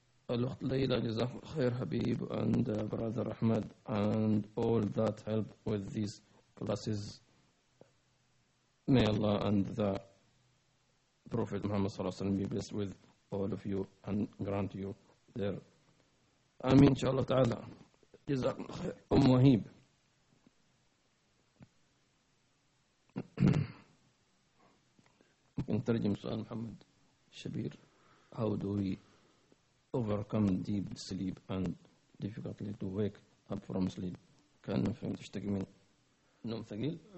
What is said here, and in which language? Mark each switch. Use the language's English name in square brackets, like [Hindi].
[Arabic] الأخت ليلى جزاكم الله خير حبيب [English] and brother أحمد and all that help with these classes. May Allah and the Prophet Muhammad صلى الله عليه وسلم be blessed with all of you and grant you there. [Arabic] آمين إن شاء الله تعالى. جزاكم الله خير. أم وهيب ممكن ترجم سؤال محمد شبير. [English] How do we overcome deep sleep and difficulty to wake up from sleep؟ [Arabic] كان نفهم تشتكي من نوم ثقيل؟